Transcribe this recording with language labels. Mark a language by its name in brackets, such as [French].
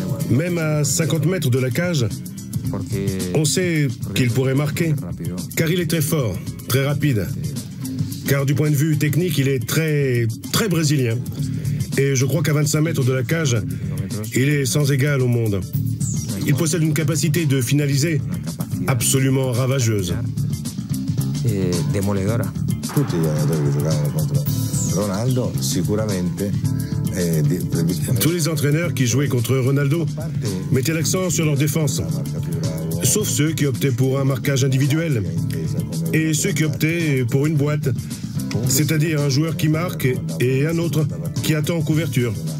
[French] Même à 50 mètres de la cage, on sait qu'il pourrait marquer, car il est très fort, très rapide. Car du point de vue technique, il est très, très brésilien. Et je crois qu'à 25 mètres de la cage, il est sans égal au monde. Il possède une capacité de finaliser absolument ravageuse. [Spanish] Demoledora. [Italian] Tutti gli allenatori che giocavano contro Ronaldo sicuramente. [French] Tous les entraîneurs qui jouaient contre Ronaldo mettaient l'accent sur leur défense, sauf ceux qui optaient pour un marquage individuel et ceux qui optaient pour une boîte, c'est-à-dire un joueur qui marque et un autre qui attend en couverture.